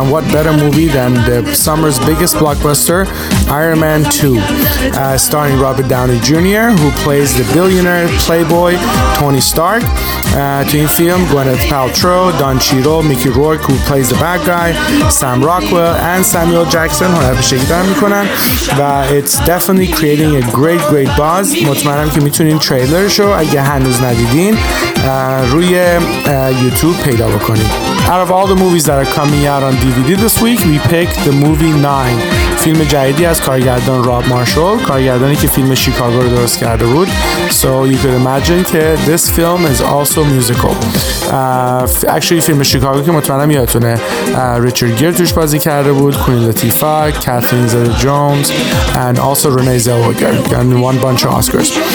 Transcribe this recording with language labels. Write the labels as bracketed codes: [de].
[en] And what better movie than the summer's biggest blockbuster, Iron Man 2, starring Robert Downey Jr., who plays the billionaire playboy Tony Stark. Team film, Gwyneth Paltrow, Don Cheadle, Mickey Rourke, who plays the bad guy, Sam Rockwell, and Samuel Jackson, who have a shake down with Conan. It's definitely creating a great, great buzz. [fa] مطمئنم که میتونین تریلر شو اگه هنوز ندیدین روی یوتیوب پیدا بکنین. [en] Out of all the movies that are coming out on DVD this week, we picked the movie 9. [fa] فیلم جدیدی از کارگردان راب مارشال، کارگردانی که فیلم شیکاگو رو درست کرده بود. [en] So you could imagine [fa] که [en] this film is also musical. Actually [fa] فیلم شیکاگو که مطمئنم یادتونه ریچارد گیر توش بازی کرده بود، کوئین لاتیفا، کاترین زدا جونز [en] and also [fa] رنه زلوگر [en] and won a bunch of Oscars.